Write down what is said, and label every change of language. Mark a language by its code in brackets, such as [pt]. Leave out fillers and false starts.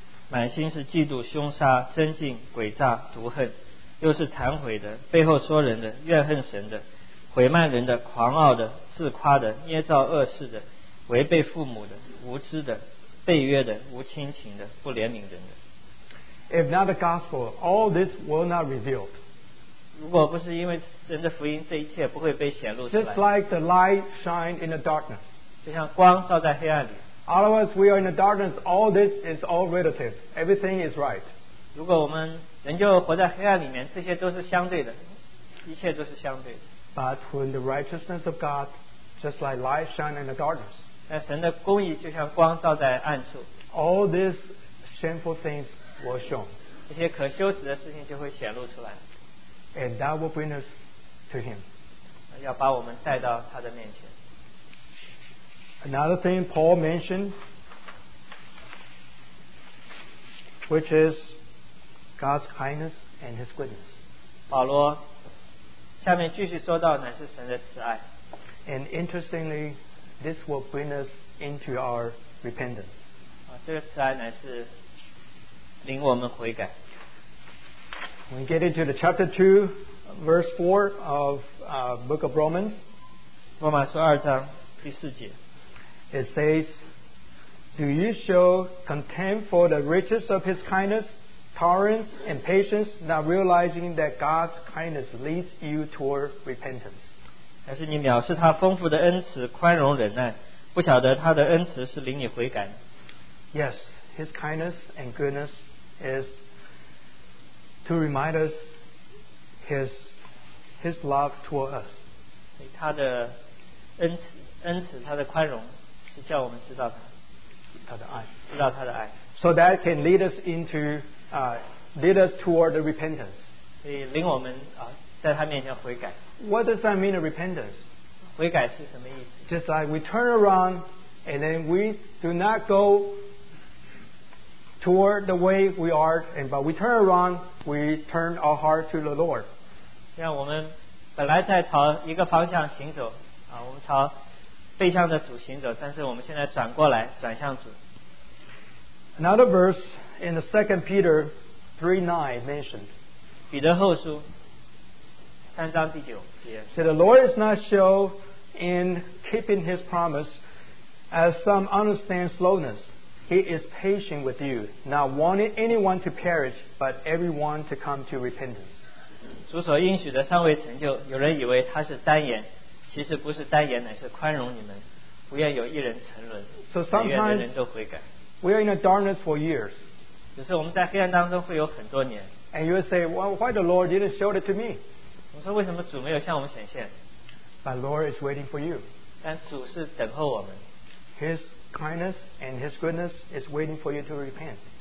[zh] 满心是嫉妒、凶杀、增进、诡诈、毒恨，又是残毁的、背后说人的、怨恨神的、毁慢人的、狂傲的、自夸的、捏造恶事的、违背父母的、无知的、背约的、无亲情的、不怜悯人的。 [en] If not the gospel, all this will not reveal. [zh] 如果不是因为神的福音，这一切不会被显露出来。 [en] Just like the light shined in the darkness. [zh] 就像光照在黑暗里。 [en] All of us, we are in the darkness. All this is all relative. Everything is right. [zh] 如果我们仍旧活在黑暗里面，这些都是相对的，一切都是相对的。 [en] But when the righteousness of God, just like light shine in the darkness, [zh] 但神的公义就像光照在暗处。 [en] All these shameful things will show. [zh] 这些可羞耻的事情就会显露出来。 [en] And that will bring us to Him. [zh] 要把我们带到他的面前。 [en] Another thing Paul mentioned, which is God's kindness and His goodness. [zh] 保罗下面继续说到乃是神的慈爱。 [en] And interestingly, this will bring us into our repentance. [zh] 这个慈爱乃是领我们悔改。 [en] We get into the chapter 2, verse 4 of book of Romans. [zh] 罗马书二章第四节。 [en] It says, Do you show contempt for the riches of his kindness, tolerance, and patience, not realizing that God's kindness leads you toward repentance? [zh] 还是你藐视他丰富的恩慈、宽容、忍耐，不晓得他的恩慈是领你悔改。 [en] Yes, his kindness and goodness is to remind us his love toward us. [zh] 他的恩慈，他的宽容。是叫我们知道他的爱，知道他的爱。 [en] So that can lead us into, lead us toward the repentance. [zh] 所以领我们在他面前悔改。 [en] What does that mean, repentance? [zh] 悔改是什么意思？ [en] Just like we turn around and then we do not go toward the way we are, and but we turn around, we turn our heart to the Lord. [zh] 像我们本来在朝一个方向行走我们朝。背向着主行走，但是我们现在转过来，转向主。 [en] Another verse in the Second Peter 3:9 mentioned. [zh] 彼得后书三章第九节。 [en] So the Lord is not slow in keeping his promise, as some understand slowness, he is patient with you, not wanting anyone to perish, but everyone to come to repentance. [zh] 主所应许的尚未成就, 有人以为他是单言, 其实不是单言, 乃是宽容你们, 不愿有一人沉沦, [en] so sometimes we are in a darkness for years. And you will say, well, why the Lord didn't show it to me? [zh] 我说为什么主没有向我们显现? [en] But Lord is waiting for you. [zh] 但主是等候我们, [en] His kindness and His goodness is waiting for you to repent.